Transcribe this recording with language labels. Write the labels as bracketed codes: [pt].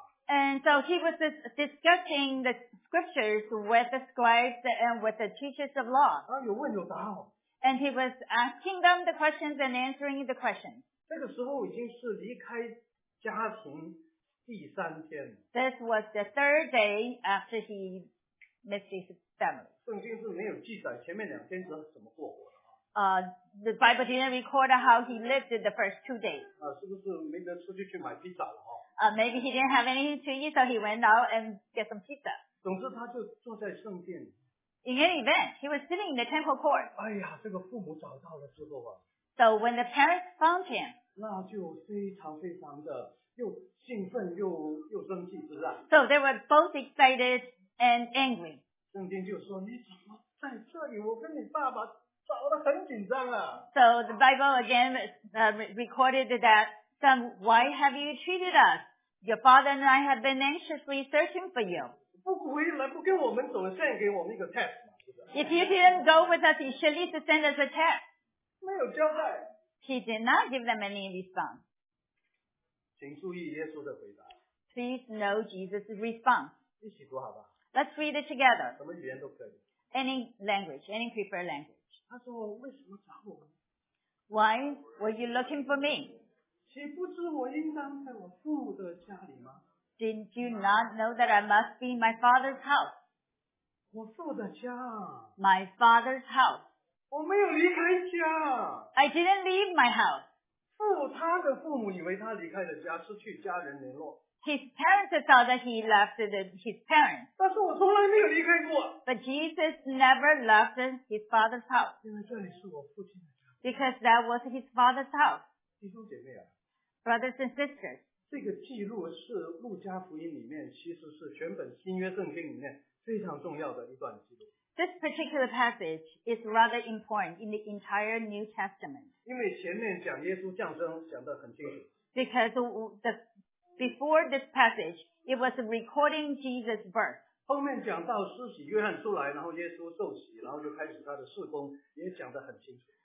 [en] And so he was discussing the scriptures with the scribes and with the teachers of law. And he was asking them the questions and answering the questions. [zh] 那个时候已经是离开家庭第三天了。 [en] This was the third day after he missed his family. [zh] 圣经是没有记载前面两天是怎么过活的。 [en] The Bible didn't record how he lived the first two days. [zh] 是不是没得出去去买披萨了 [en] 啊？Maybe he didn't have anything to eat, so he went out and get some pizza. [zh] 总之他就坐在圣殿。 [en] In any event, he was sitting in the temple court. [zh] 哎呀，这个父母找到了之后啊。 [en] So when the parents found him, [zh] 那就非常非常的又兴奋又生气，是不是？ [en] So they were both excited and angry. [zh] 圣经就说你怎么在这里？我跟你爸爸找得很紧张啊。 [en] So the Bible again recorded that son, why have you treated us? Your father and I have been anxiously searching for you. [zh] 不回来不跟我们走了，现在给我们一个 test 嘛，是不是？ [en] If you didn't go with us, you should at least send us a test. [zh] 没有交代。 [en] He did not give them any response. [zh] 请注意耶稣的回答。 [en] Please know Jesus' response. [zh] 一起读好吧。 [en] Let's read it together. [zh] 什么语言都可以。 [en] Any language, any preferred language. [zh] 他说为什么找我？ [en] Why were you looking for me? [zh] 岂不知我应当在我父的家里吗？ [en] Didn't you not know that I must be in my father's house? [zh] 我父的家。 [en] My father's house. [zh] 我没有离开家。 [en] I didn't leave my house. [zh] 他的父母以为他离开了家，失去家人联络。 [en] His parents thought that he left his parents. [zh] 但是我从来没有离开过。 [en] But Jesus never left his father's house. [zh] 因为这里是我父亲的家。 [en] Because that was his father's house. [zh] 弟兄姐妹啊。 [en] Brothers and sisters. [zh] 这个记录是路加福音里面，其实是全本新约圣经里面非常重要的一段记录。 [en] This particular passage is rather important in the entire New Testament. [zh] 因为前面讲耶稣降生讲得很清楚。 [en] Because before this passage, it was recording Jesus' birth. [zh] 后面讲到施洗约翰出来，然后耶稣受洗，然后就开始他的事工，也讲得很清楚。